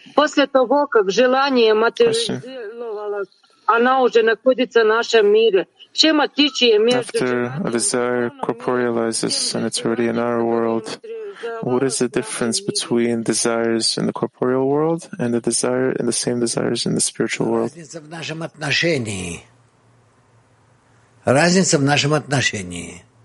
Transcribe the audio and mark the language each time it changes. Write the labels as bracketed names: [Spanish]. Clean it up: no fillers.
[Russian] После того, как желание материализовалось, она уже находится в нашем мире. Чем отличие между... [English] After a desire corporealizes and it's already in our world, what is the difference between desires in the corporeal world and the desire and the same desires in the spiritual world? [Russian] Разница в нашем отношении. Разница в нашем отношении.